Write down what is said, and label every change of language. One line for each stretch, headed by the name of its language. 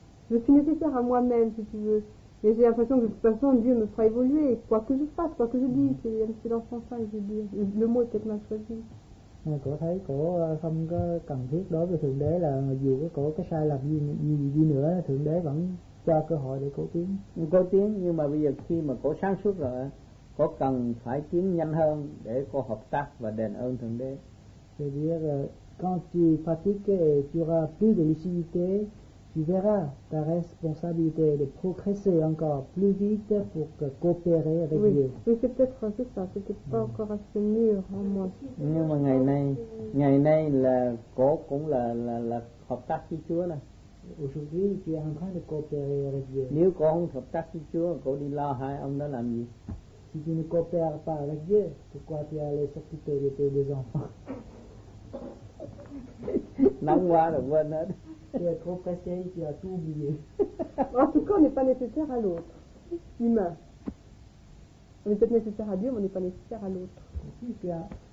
French: Je suis nécessaire à moi-même, si tu veux. Mais j'ai l'impression que de toute façon Dieu me fera évoluer, quoi que je fasse, quoi que je dise, c'est un petit enfant ça, je veux dire, le mot est peut-être mal choisi.
Vietnamese: Mais cô thấy cô không có cần thiết đối với Thượng Đế là dù cô có sai lầm gì nữa, Thượng Đế vẫn cho cơ hội để cô tiến, nhưng mà bây giờ khi mà cô sáng suốt rồi, cô cần phải tiến nhanh hơn để cô hợp tác và đền ơn Thượng Đế.
French: C'est-à-dire, quand tu pratiques, tu auras plus de lucidité. Tu verras ta responsabilité de progresser encore plus vite pour coopérer avec oui. Dieu. Oui, c'est peut-être ça, c'est peut-être pas encore assez mûr en moi.
Vietnamese: Nhưng mà ngày nay là cô cũng là hợp tác với Chúa nè.
French: Aujourd'hui, tu es en train de coopérer avec Dieu.
Vietnamese: Nếu cô không hợp tác với Chúa, cô đi lo hai ông đó làm gì?
French: Si tu ne coopères pas avec Dieu, pourquoi tu es allé s'occuper de tes deux enfants?
Vietnamese: Nắng quá là quên hết.
French: Tu es trop pressé, tu as tout oublié. En tout cas, on n'est pas nécessaire à l'autre, humain. On est peut-être nécessaire à Dieu, mais on n'est pas nécessaire à l'autre.